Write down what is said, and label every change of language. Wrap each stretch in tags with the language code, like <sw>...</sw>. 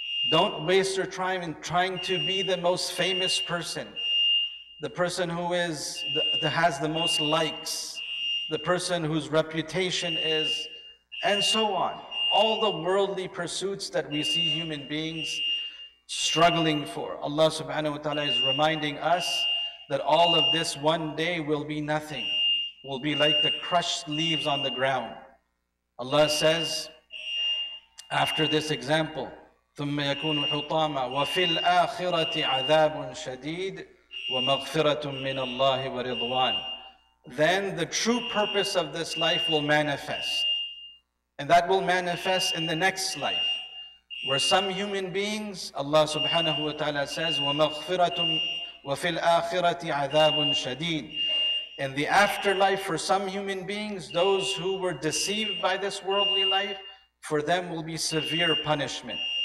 <en>Don't waste your time in trying to be the most famous person, the person who is that has the most likes, the person whose reputation is, and so on. All the worldly pursuits that we see human beings struggling for. Allah subhanahu wa ta'ala is reminding us that all of this one day will be nothing, will be like the crushed leaves on the ground. Allah says, after this example,</en> <ar>ثُمَّ يَكُونُ حُطَامًا وَفِي الْآخِرَةِ عَذَابٌ شَدِيدٌ وَمَغْفِرَةٌ مِّنَ اللَّهِ وَرِضْوَانٌ.</ar> <en>Then the true purpose of this life will manifest. And that will manifest in the next life, where some human beings, Allah subhanahu wa ta'ala says,</en> <ar>وَمَغْفِرَةٌ وَفِي الْآخِرَةِ عَذَابٌ شَدِيدٌ.</ar> <en>In the afterlife, for some human beings, those who were deceived by this worldly life, for them will be severe punishment.</en>